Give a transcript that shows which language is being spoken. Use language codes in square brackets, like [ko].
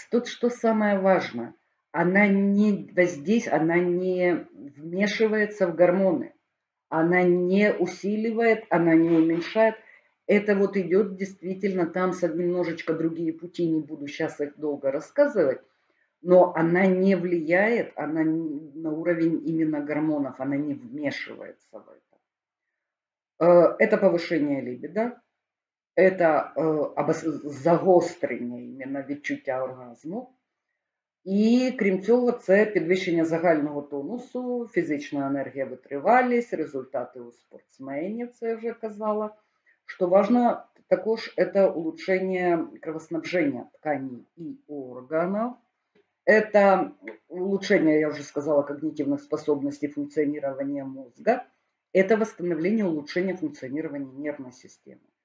[ru] Тут что самое важное, она не воздействует, она не вмешивается в гормоны, она не усиливает, она не уменьшает. Это вот идет действительно там со немножечко другие пути, не буду сейчас их долго рассказывать, но она не влияет, она на уровень именно гормонов, она не вмешивается в это. Это повышение либидо, это [uk] загострение именно відчуття оргазму, и кремцово – це підвищення загального тонусу, фізична енергія, витривалість, результати у спортсменів, це я вже казала. [ru] Что важно, також это улучшение кровоснабжения тканей и органов. Это улучшение, я уже сказала, когнитивных способностей функционирования мозга. Это восстановление, улучшение функционирования нервной системы.